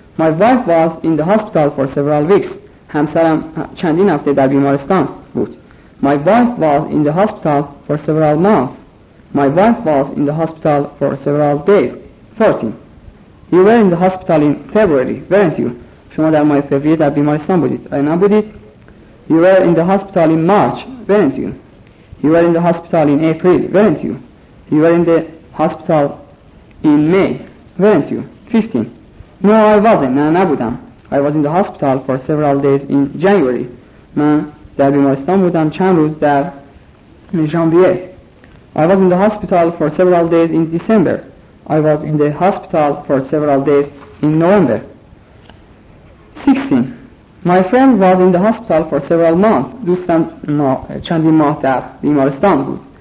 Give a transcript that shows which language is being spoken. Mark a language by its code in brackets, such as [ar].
[en] My wife was in the hospital for several weeks. [fa] همسرم چندین هفته در بیمارستان بود. [en] My wife was in the hospital for several months. My wife was in the hospital for several days. 14. You were in the hospital in February, weren't you? [fa] شما در ماه فوریه در بیمارستان بودید. آیا نبودید؟ [en] You were in the hospital in March, weren't you? You were in the hospital in April, weren't you? You were in the hospital in May, weren't you? 15. No, I wasn't. [fa] نه نبودم. [en] I was in the hospital for several days in January. [fa] من در بیمارستان بودم چند روز در ژانویه. [en] I was in the hospital for several days in December. I was in the hospital for several days in November. 16. My friend was in the hospital for several months. [fa] دوستم چندین ماه در بیمارستان بود.